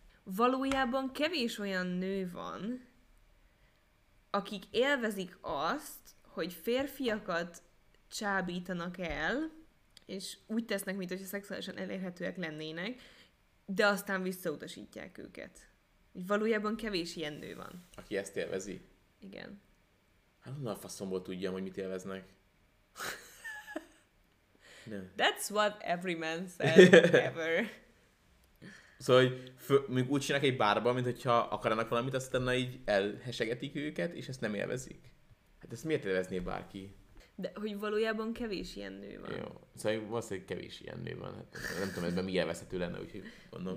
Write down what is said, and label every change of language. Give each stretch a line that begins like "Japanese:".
Hungarian: Valójában kevés olyan nő van, akik élvezik azt, hogy férfiakat csábítanak el, és úgy tesznek, mintha szexuálisan elérhetőek lennének, de aztán visszautasítják őket. Valójában kevés ilyen nő van. Aki ezt élvezi? Igen. Hát onnan a faszomból tudjam, hogy mit élveznek.
English: That's what every man says ever.
Hungarian: Szóval, hogy még úgy csinálnak egy bárban, mintha akarnak valamit, aztán így elhesegetik őket, és ezt nem élvezik. Hát ezt miért élvezné bárki? De hogy valójában kevés ilyen nő van. Jó. Szóval valószínűleg kevés ilyen nő van. Hát, nem tudom, ebben mi élvezhető lenne, úgyhogy gondolom,